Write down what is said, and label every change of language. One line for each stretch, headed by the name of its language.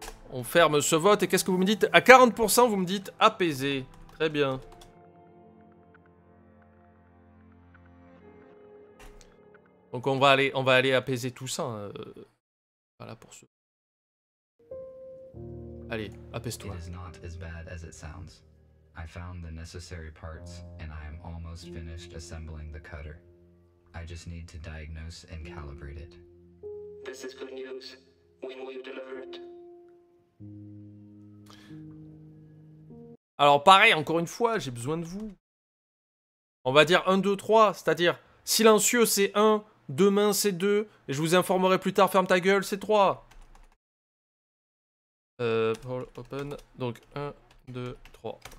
French: On ferme ce vote. Et qu'est-ce que vous me dites? À 40%, vous me dites apaisé. Très bien. Donc on va aller apaiser tout ça. Voilà pour ce. Allez, apaise-toi.
English: It is not as bad as it sounds. I found the necessary parts and I am almost finished assembling the cutter. I just need to diagnose and calibrate it. This is good news. When will you deliver it?
French: Alors pareil, encore une fois, j'ai besoin de vous. On va dire 1, 2, 3, c'est-à-dire silencieux, c'est 1. Demain, c'est 2. Et je vous informerai plus tard. Ferme ta gueule, c'est 3.
English: Paul, open.
French: Donc, 1, 2, 3.